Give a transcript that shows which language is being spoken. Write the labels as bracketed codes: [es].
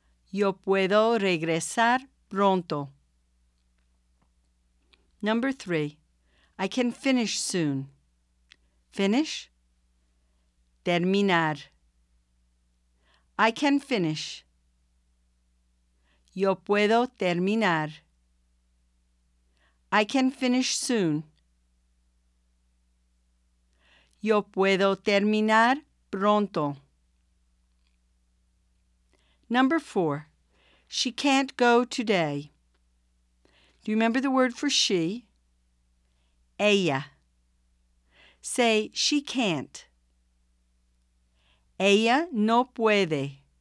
[es] Yo puedo regresar pronto. [en] Number 3, I can finish soon. Finish? Terminar. I can finish. [es] Yo puedo terminar. [en] I can finish soon. [es] Yo puedo terminar pronto. [en] Number 4, she can't go today. Do you remember the word for she? [es] Ella. [en] Say, she can't. [es] Ella no puede.